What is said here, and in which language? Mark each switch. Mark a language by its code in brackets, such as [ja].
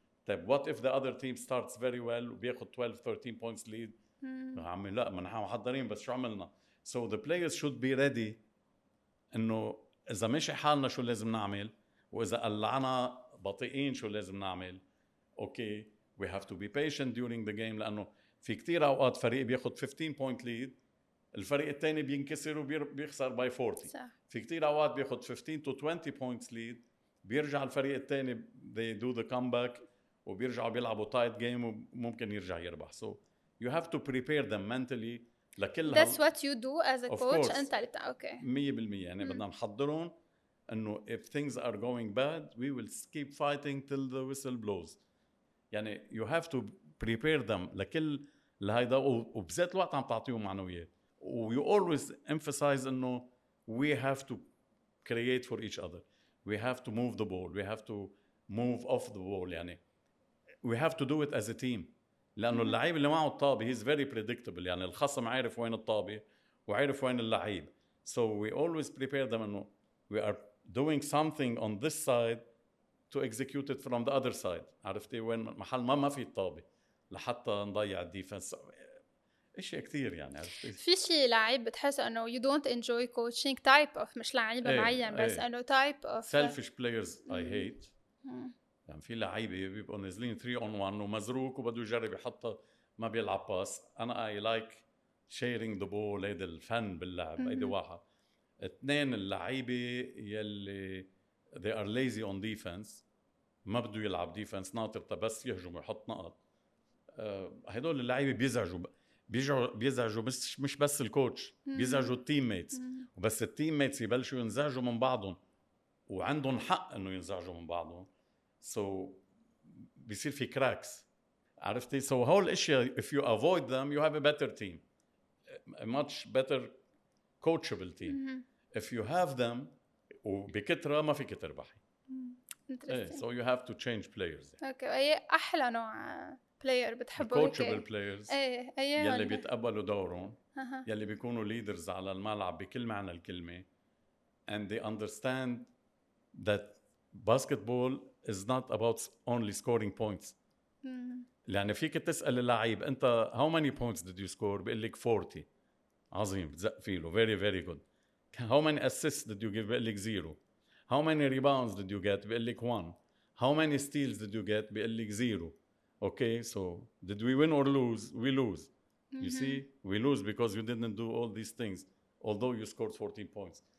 [ar] طيب [en] what if the other team starts very well وبياخد 12-13 points lead؟ [ar] عمي لا ما نحن محضرين بس شو عملنا؟ [en] So the players should be ready [ar] انه اذا ماشي حالنا شو لازم نعمل, واذا قلعنا بطيئين شو لازم نعمل. [en] Okay we have to be patient during the game [ar] لانه في كتير اوقات فريق بياخد 15 point lead الفريق الثاني بينكسر وبيخسر [en] by 40. [ar] صح. في كتير اوقات بياخد 15 to 20 points lead بيرجع الفريق الثاني [en] they do the comeback [ar] وبيرجعوا بيلعبوا تايت جيم وممكن يرجع يربح. [en] So you have to prepare them mentally لكل That's what you do as a coach. [ar] انت اللي اوكي [en] 100% [ar] يعني بدنا نحضرهم انه [en] if things are going bad we will keep fighting till the whistle blows. [ar] يعني [en] you have to prepare them [ar] لكل لهيدا وبذات الوقت عم تعطيهم معنويات. [en] You always emphasize انه we have to create for each other, we have to move the ball, we have to move off the ball. يعني we have to do it as a team [ar] لانه اللعيب اللي معه الطابه [en] he's very predictable. [ar] يعني الخصم عارف وين الطابه وعارف وين اللعيب. [en] So we always prepare them انه we are doing something on this side to execute it from the other side. [ar] عرفتي وين محل ما في الطابه لحتى نضيع الديفنس. اشي كثير يعني في شيء لعيب بتحس انه [en] you don't enjoy coaching type of [ar] مش لعيب معين بس انه type of [en] selfish players I hate. [ar] يعني في لعيبة بيبقوا نزلين 3 on 1 ومزروك وبدو يجرب يحطه ما بيلعب باس. [en] أنا I like sharing the ball, [ar] هيدا الفن باللعب. هيدا واحد. اثنين اللعيبة يلي [en] they are lazy on defense [ar] ما بدو يلعب defense ناطر بس يهجم ويحط نقط. هدول اللعيبة بيزعجوا مش بس الكوتش بيزعجوا التيم ميتس. وبس التيم ميتس يبلشوا ينزعجوا من بعضهم وعندهم حق انه ينزعجوا من بعضهم. So بيصير في cracks. [en] عرفتي؟ So [ar] هول الاشياء [en] if you avoid them you have a better team, a much better coachable team. If you have them [ar] وبكترة ما فيك تربحي. [en] So you have to change players. Okay. [ar] اي احلى نوع player بتحبه؟ [en] coachable players. [ar] اي اي يلي بيتقبلوا دورهم يلي بيكونوا leaders على الملعب بكل معنى الكلمة. [en] And they understand that basketball is not about only scoring points. [ar] يعني فيك تسأل اللعيب انت [en] how many points did you score؟ [ar] بيقول لك 40. عظيم بتزقفيله [en] very very good. How many assists did you give؟ [ar] بيقول لك 0. [en] How many rebounds did you get؟ [ar] بيقول لك 1. [en] How many steals did you get؟ [ar] بيقول لك 0. [en] Okay so did we win or lose؟ We lose. You see we lose because you didn't do all these things although you scored 14 points.